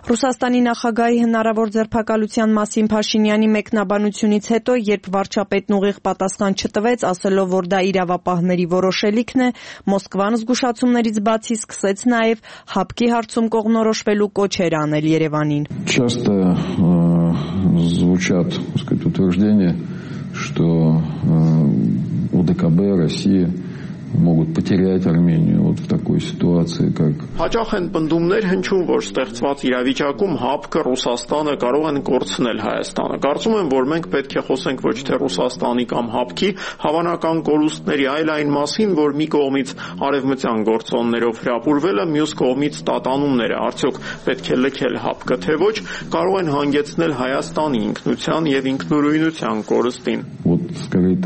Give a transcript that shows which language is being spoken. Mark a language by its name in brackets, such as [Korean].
[Armenian] Ռուսաստանի նախագահի հնարավոր ձերբակալության մասին Փաշինյանի մեկնաբանությունից հետո, երբ վարչապետն ուղիղ պատասխան չտվեց, ասելով, որ դա իրավապահների որոշելիքն է, Մոսկվան զգուշացումներից բացի սկսեց նաև հապկի հարցում կողմնորոշվելու կոչեր անել Երևանին։ [Russian] Звучат, так сказать, утверждения, что ОДКБ России могут потерять Армению вот в такой ситуации, как [Armenian] Հաճախ են պնդումներ հնչում, որ ստեղծված իրավիճակում հապկը Ռուսաստանը կարող են կորցնել Հայաստանը։ Կարծում եմ, որ մենք պետք է խոսենք ոչ թե Ռուսաստանի կամ հապկի հավանական կորուստների, այլ այն մասին, որ մի կողմից արևմտյան գործոններով հրապուրվելը, մյուս կողմից տատանումները, արդյոք պետք է լքել հապկը, թե ոչ, կարող են հանգեցնել Հայաստանի ինքնության և ինքնուրույնության կորստին։